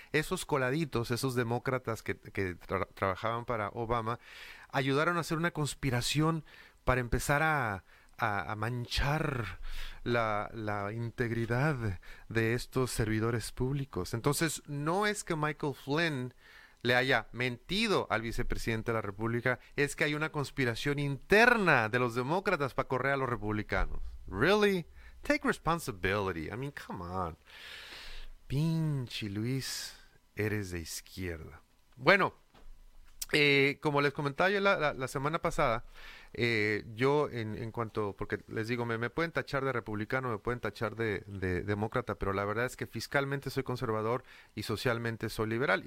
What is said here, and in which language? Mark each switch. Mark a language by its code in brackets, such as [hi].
[es] Esos coladitos, esos demócratas que trabajaban para Obama, ayudaron a hacer una conspiración para empezar a manchar la integridad de estos servidores públicos. Entonces, no es que Michael Flynn le haya mentido al vicepresidente de la República, es que hay una conspiración interna de los demócratas para correr a los republicanos. [en] ¿Really? Take responsibility. I mean, come on. [es] Pinche Luis, eres de izquierda. Bueno, como les comentaba yo la semana pasada, yo en cuanto, porque les digo, me pueden tachar de republicano, me pueden tachar de demócrata, pero la verdad es que fiscalmente soy conservador y socialmente soy liberal.